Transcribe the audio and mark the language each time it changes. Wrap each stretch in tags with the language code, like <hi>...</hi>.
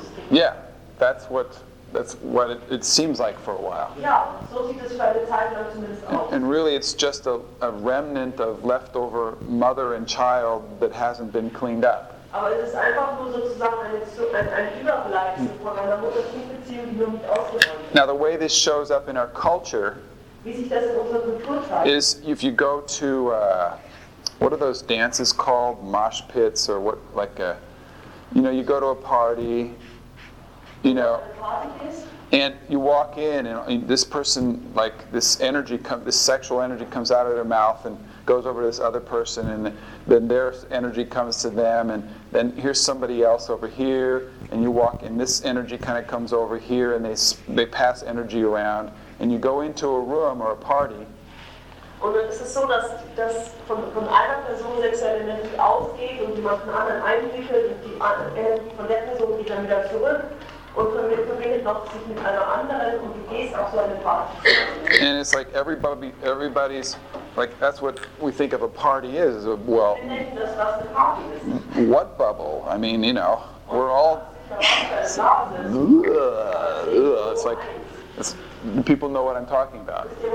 <en>Yeah, that's what it seems like for a while.</en> <de>Yeah, so sieht es für eine Zeit lang zumindest aus.</de> <en>And really it's just a remnant of leftover mother and child that hasn't been cleaned up.</en> <de>Aber es ist einfach nur sozusagen ein Überbleibsel von einer Mutter-Kind-Beziehung, die noch nicht ausgeräumt.</de> <en>Now the way this shows up in our culture,</en> <de>wie sich das in unserer Kultur zeigt,</de> <en>is if you go to what are those dances called? Mosh pits or what, like a, you know, you go to a party, you know, and you walk in and this person, like this energy, this sexual energy comes out of their mouth and goes over to this other person, and then their energy comes to them, and then here's somebody else over here, and you walk in, this energy kind of comes over here, and they pass energy around, and you go into a room or a party.</en> <de>Und es ist so, dass von einer Person sexuelle Energie ausgeht und die macht einen anderen einwickelt und die von der Person geht dann wieder zurück und verbindet noch sich mit einer anderen und du gehst auf so eine Party.</de> <en>And it's like everybody's like, that's what we think of a party is. Well, what bubble? I mean, you know, we're all... It's like people know what I'm talking about.</en>